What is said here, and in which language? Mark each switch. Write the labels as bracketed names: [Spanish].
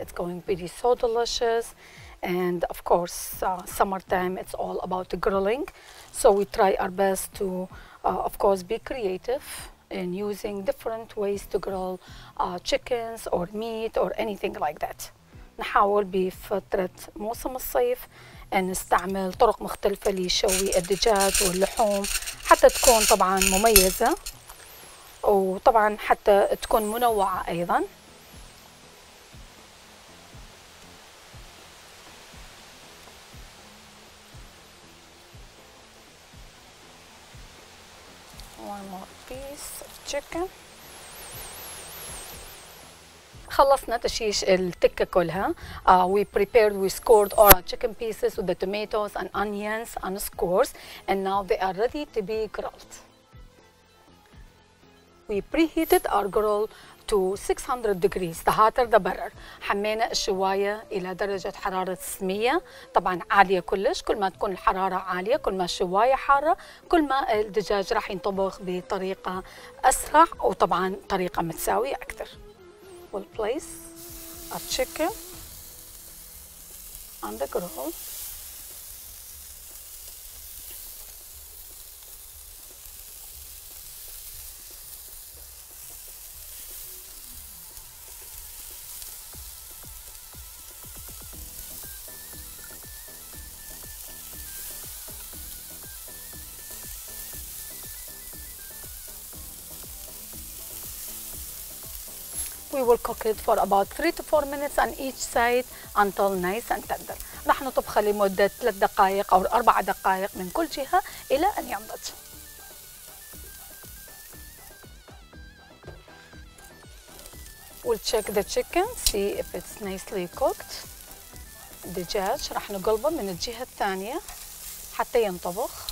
[English] It's going to be so delicious. And of course, summertime, it's all about the grilling. So we try our best to, of course, be creative in using different ways to grill chickens or meat or anything like that. [Arabic] نحاول بفترة موسم الصيف أن نستعمل طرق مختلفة لشوي الدجاج واللحوم حتى تكون طبعا مميزة وطبعا حتى تكون منوعة أيضا. [English] One more piece of chicken. [Arabic] خلصنا تشيش التكة كلها. [English] We prepared, we scored all our chicken pieces with the tomatoes and onions and scores, and now they are ready to be grilled. We preheated our grill to 600 degrees, the hotter the better. [Arabic] حمينا الشواية إلى درجة حرارة 600، طبعا عالية كلش، كل ما تكون الحرارة عالية، كل ما الشواية حارة، كل ما الدجاج راح ينطبخ بطريقة أسرع وطبعا طريقة متساوية أكثر. [English] We'll place our chicken on the grill. We will cook it for about 3 to 4 minutes on each side until nice and tender. [Arabic] راح نطبخه لمدة 3 دقائق أو 4 دقائق من كل جهة إلى أن ينضج. [English] We'll check the chicken, see if it's nicely cooked. [Arabic] الدجاج راح نقلبه من الجهة الثانية حتى ينطبخ.